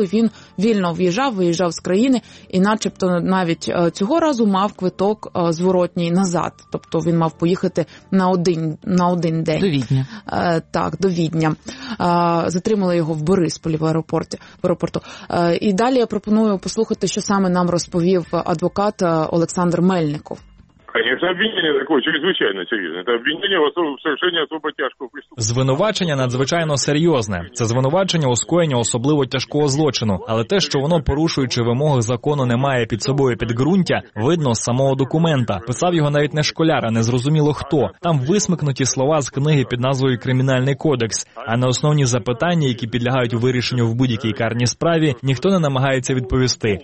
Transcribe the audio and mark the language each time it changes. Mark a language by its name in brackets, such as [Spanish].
[Ukrainian] Він вільно в'їжджав, виїжджав з країни і начебто навіть цього разу мав квиток зворотній назад. Тобто він мав поїхати на один день. До Відня. Так, до Відня. Затримали його в Борисполі в аеропорту. І далі я пропоную послухати, що саме нам розповів адвокат Олександр Мельников. [Russian] Конечно, обвинение такое чрезвычайно серьезное. Это обвинение в совершении особо тяжкого преступления. [Ukrainian] Звинувачення надзвичайно серйозне. Це звинувачення у скоєнні особливо тяжкого злочину, але те, що воно, порушуючи вимоги закону, не має під собою підґрунтя, видно з самого документа. Писав його навіть не школяр, а не зрозуміло хто. Там висмикнуті слова з книги під назвою «Кримінальний кодекс», а на основні запитання, які підлягають вирішенню в будь-якій карній справі, ніхто не намагається відповісти.